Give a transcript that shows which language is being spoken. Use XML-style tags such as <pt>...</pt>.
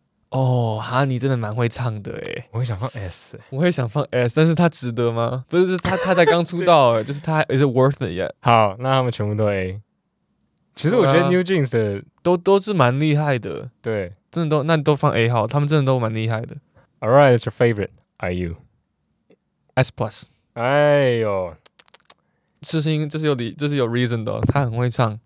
<zh>哦、oh, ，Honey 真的蛮会唱的哎、欸。我也想放 S，、欸、我也想放 S， 但是他值得吗？不是，他才刚出道哎、欸，就是他，</zh> <en>Is it worth it yet？</en> <zh>好，那他们全部都 A。其实我觉得 New Jeans 的、啊、都是蛮厉害的，对，真的都那都放 A 好，他们真的都蛮厉害的。</zh> <en>All right， it's your favorite， are you S plus？</en> <zh>哎呦。是因为这是有 reason 的、哦，他很会唱，</zh>